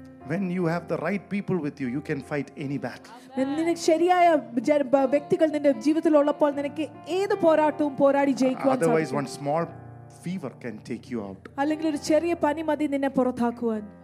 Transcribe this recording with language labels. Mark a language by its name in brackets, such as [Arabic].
[English] When you have the right people with you, you can fight any battle. [Malayalam] നിനക്ക് ശരിയായ വ്യക്തികൾ നിന്റെ ജീവിതത്തിൽ ഉള്ളപ്പോൾ നിനക്ക് ഏത് പോരാട്ടവും പോരാടി ജയിക്കുവാൻ സാധിക്കും. [English] Otherwise, one small fever can take you out. [Malayalam] അല്ലെങ്കിൽ ഒരു ചെറിയ പനി മതി നിന്നെ പുറത്താക്കുവാൻ.